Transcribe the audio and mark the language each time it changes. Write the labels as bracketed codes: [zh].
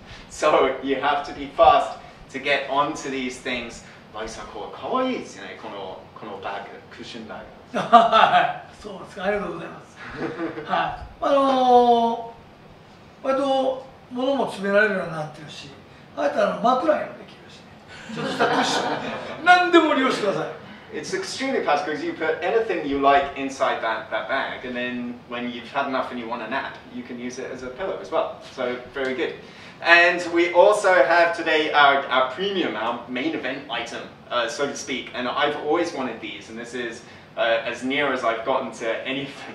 [en] So you have to be fast to get onto these things. [ja] Liger-san, このバッグ、クッションバッグ。そうですか、ありがとうございます。はい、割と物も詰められるようになってるし、あえて枕にもできるし、ね、ちょっとしたクッション、なんでも利用してください。 [en] It's extremely practical because you put anything you like inside that bag, and then when you've had enough and you want a nap, you can use it as a pillow as well. So, very good. And we also have today our premium, our main event item, so to speak. And I've always wanted these, and this is as near as I've gotten to anything.